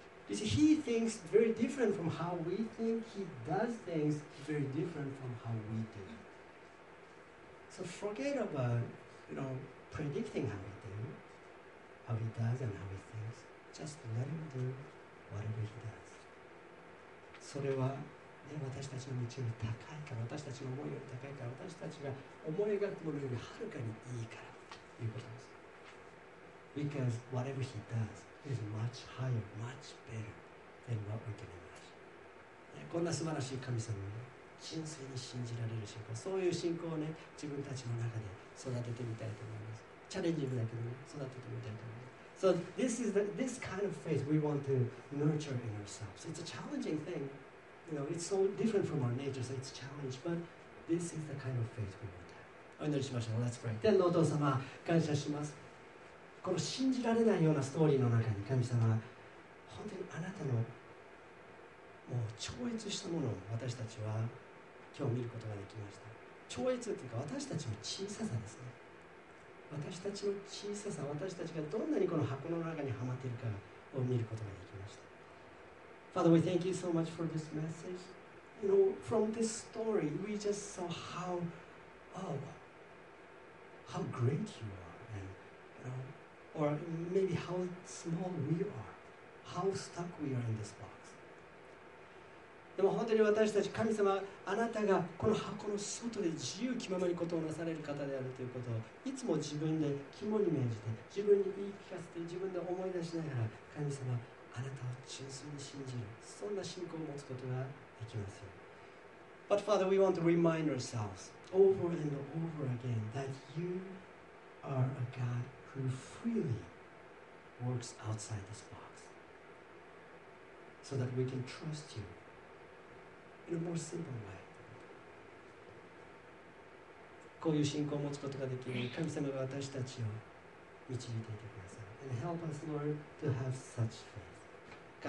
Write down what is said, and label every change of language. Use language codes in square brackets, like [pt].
[en] You see, he thinks very different from how we think. He does things very different from how we do. So forget about, you know, predicting how he does, how he does and how he thinks. Just let him do whatever he does. [ja] それは、ね、私たちの道より高いから、私たちの思いより高いから、私たちが思い描くものよりはるかにいいからということです。 [en] Because whatever he does. Is much higher, much better than what we can imagine. [ja] こんな素晴らしい神様を純粋に信じられる信仰、そういう信仰をね、自分たちの中で育ててみたいと思います。チャレンジングだけどね、育ててみたいと思います。 [en] So this is the, this kind of faith we want to nurture in ourselves. It's a challenging thing. You know, it's so different from our nature, so it's a challenge, but this is the kind of faith we want to have. [ja] お祈りしましょう。 [en] Let's pray. [ja] 天のお父様、感謝します。この信じられないようなストーリーの中に神様、本当にあなたのもう超越したものを私たちは今日見ることができました。超越というか私たちの小ささですね。私たちの小ささ、私たちがどんなにこの箱の中にはまっているかを見ることができました。 [en] Father, we thank you so much for this message. You know, from this story, we just saw how great you are, and you know, or maybe how small we are, how stuck we are in this box. [ja] でも本当に私たち神様、あなたがこの箱の外で自由気ままにことをなされる方であるということを、いつも自分で肝に銘じて、自分に言い聞かせて、自分で思い出しながら、神様、あなたを純粋に信じる、そんな信仰を持つことができますよ。 [en] But Father, we want to remind ourselves over and over again that you are a God who freely works outside this box so that we can trust you in a more simple way. [ja] こういう信仰を持つことができる神様が私たちを導いていてください。 [en] And help us, Lord, to have such faith.